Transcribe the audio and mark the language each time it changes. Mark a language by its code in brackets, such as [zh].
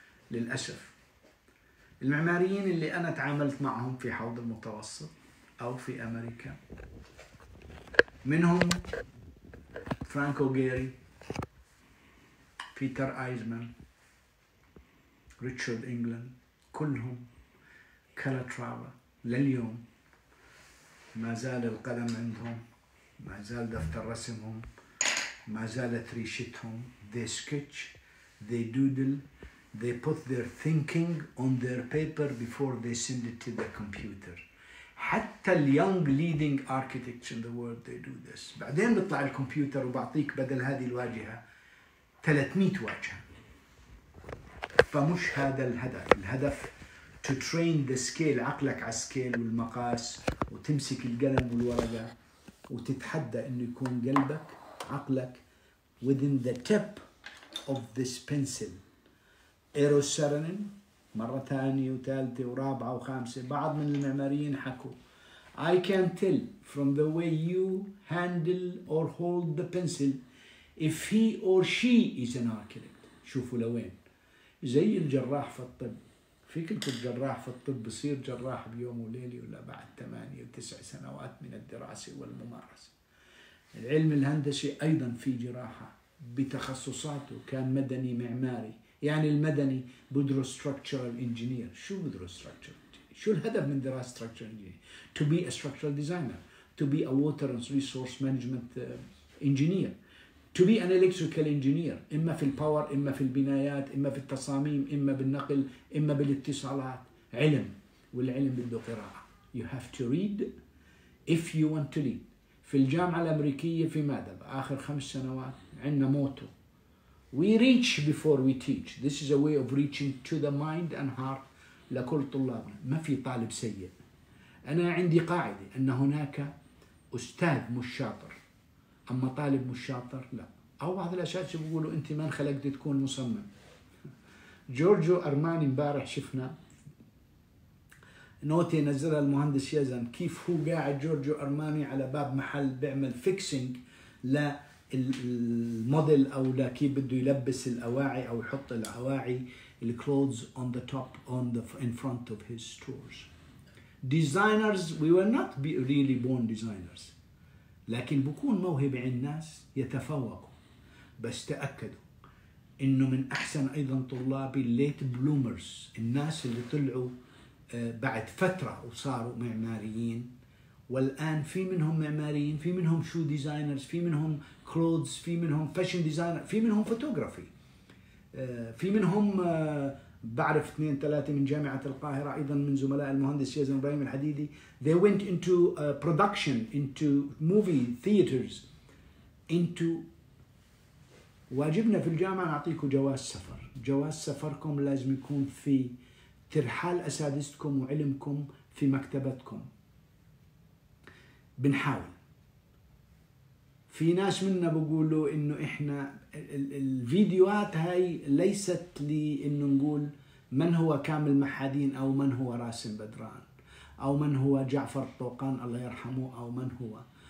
[ar] للاسف المعماريين اللي انا تعاملت معهم في حوض المتوسط او في امريكا، منهم فرانكو جيري، بيتر ايزمان، ريتشارد انجلاند، كلهم كالاترافا لليوم ما زال القلم عندهم، ما زال دفتر رسمهم، ما زالت ريشتهم. [en] They sketch, they doodle, they put their thinking on their paper before they send it to the computer. حتى اليونج leading architects in the world they do this. [ar] بعدين بيطلع الكمبيوتر وبعطيك بدل هذه الواجهه 300 واجهه. فمش هذا الهدف، الهدف [en] to train the scale, [ar] عقلك على السكيل والمقاس وتمسك القلم والورقه وتتحدى انه يكون قلبك عقلك [en] within the tip of this pencil. [ar] ايروسيرنين مرة ثانية وثالثة ورابعة وخامسة. بعض من المعماريين حكوا [en] I can tell from the way you handle or hold the pencil if he or she is an architect. [ar] شوفوا لوين، زي الجراح في الطب، في كلكم جراح في الطب بصير جراح بيوم وليلة ولا بعد 8 و9 سنوات من الدراسة والممارسة. العلم الهندسي أيضا في جراحة بتخصصاته، كان مدني معماري. يعني المدني بدرس structural engineer. شو بدرس structural engineer؟ [en] شو الهدف من دراسة structural engineer؟ To be a structural designer, to be a water and resource management engineer, to be an electrical engineer. [ar] إما في الباور، إما في البنايات، إما في التصاميم، إما بالنقل، إما بالاتصالات. علم، والعلم بده قراءة. [en] You have to read if you want to lead. [ar] في الجامعة الأمريكية في مادبا آخر 5 سنوات عندنا موتو [en] We reach before we teach. This is a way of reaching to the mind and heart [ar] لكل طلابنا. ما في طالب سيء. أنا عندي قاعدة أن هناك أستاذ مش شاطر، أما طالب مش شاطر لا. أو بعض الأساتذة بيقولوا أنت ما انخلقت تكون مصمم. جورجو أرماني مبارح شفنا نوتي نزلها المهندس يزن، كيف هو قاعد جورجو أرماني على باب محل بيعمل فيكسينج ل الموديل او لكي بده يلبس الاواعي او يحط الاواعي الكلوز [en] on the top on the in front of his stores. Designers, we were not really born designers. [ar] لكن بكون موهبة عند الناس يتفوقوا. بس تأكدوا انه من احسن ايضا طلابي [en] late bloomers، [ar] الناس اللي طلعوا بعد فترة وصاروا معماريين. والآن في منهم معماريين، في منهم شو ديزاينرز، في منهم كلودز، في منهم فاشن ديزاينر، في منهم فوتوغرافي، في منهم بعرف 2-3 من جامعة القاهرة أيضا من زملاء المهندس يزن إبراهيم الحديدي. [en] They went into production, into movie theaters, into [ar] واجبنا في الجامعة نعطيكم جواز سفر. جواز سفركم لازم يكون في ترحال أساتذتكم وعلمكم في مكتبتكم. بنحاول. في ناس منا بيقولوا انه احنا الفيديوهات هاي ليست لانه نقول من هو كامل محادين او من هو راسم بدران او من هو جعفر طوقان الله يرحمه او من هو.